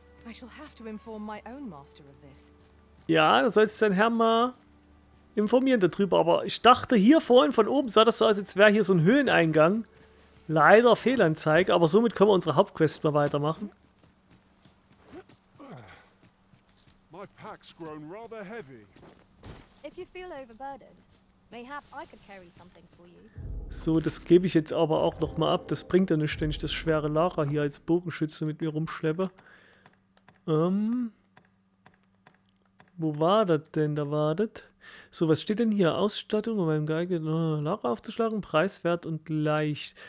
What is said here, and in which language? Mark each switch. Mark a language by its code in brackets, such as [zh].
[en] I shall have to inform my own master of this. [de] Ja, da sollst du deinen Herrn mal informieren darüber. Aber ich dachte, hier vorhin von oben sah das so aus, als wäre hier so ein Höhleneingang. Leider Fehlanzeige, aber somit können wir unsere Hauptquest mal weitermachen. [en] My pack's grown rather heavy. If you feel overburdened, mayhap I could carry some things for you. [de] So, das gebe ich jetzt aber auch noch mal ab. Das bringt ja nicht, wenn ich das schwere Lager hier als Bogenschütze mit mir rumschleppe. Wo war das denn? Da war das. So, was steht denn hier? Ausstattung, um einen geeigneten Lager aufzuschlagen. Preiswert und leicht.